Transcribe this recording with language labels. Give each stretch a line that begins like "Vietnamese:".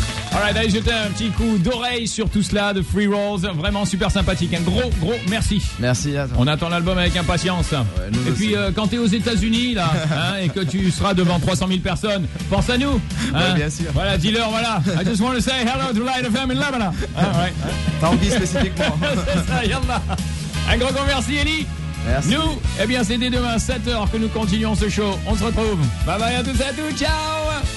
French: Alright, allez, jetez un petit coup d'oreille sur tout cela de FreeRolls. Vraiment super sympathique. Un gros, gros merci. Merci à toi. On attend l'album avec impatience. Ouais, et puis, quand t'es aux États-Unis, là, hein, et que tu seras devant 300 000 personnes, pense à nous. Hein. Ouais, bien sûr. Voilà, dis-leur, voilà.
English: I just want to say hello to Light of Fame in Lebanon.
French: Ah, ouais. T'as envie spécifiquement. C'est ça, yalla. Un gros, gros merci, Eli. Merci. Nous, eh bien, c'est dès demain, 7h, que nous continuons ce show. On se retrouve. Bye bye à tous, ciao.